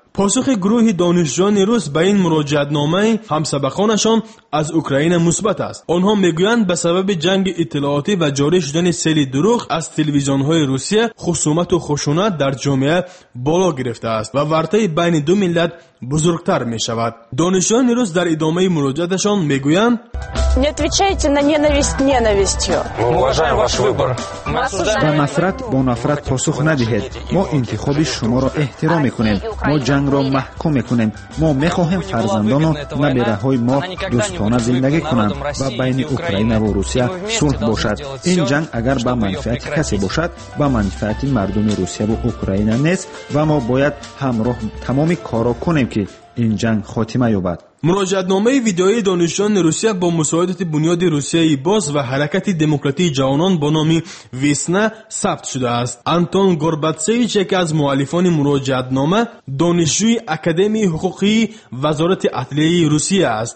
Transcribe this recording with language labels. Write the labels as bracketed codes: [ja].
[fa] پاسخ گروه دانشجویان روس به این مراجعه‌نامه همسبقانشان از اوکراین مثبت است. آنها میگویند به سبب جنگ اطلاعاتی و جاری شدن سیل دروغ از تلویزیون‌های روسیه خصومت و خشونت در جامعه بالا گرفته است و ورطه بین دو ملت بزرگتر می شود. دانشجویان روس در ادامه مراجعه‌شان میگویند: [ru] Не отвечайте на ненависть ненавистью. Мы уважаем ваш выбор. [tg] На нафрат бо нафрат посух надихет. Мо интихоби шуморо эхтиром мекунем. Мо джангро маҳкум мекунем. Мо мехоҳем фарзандоно на бераҳои мо дӯстона зиндагӣ кунанд ва байни Украина ва Русия сулҳ бошад. Ин ҷанг агар ба манфиати касе бошад, ба манфиати мардуми Русия ва Украина нест ва мо бояд ҳамроҳ тамоми коро кунем ки [fa] این جنگ خاتمه یابد. مراجعه‌نامه ویدئویی دانشجویان روسیه با مساعدت بنیاد روسیه باز و حرکت دموکراتی جوانان با نام ویسنا ثبت شده است. آنتون گورباتسیویچ یکی از مؤلفان مراجعه‌نامه دانشجوی اکادمی حقوقی وزارت عدلیه روسیه است.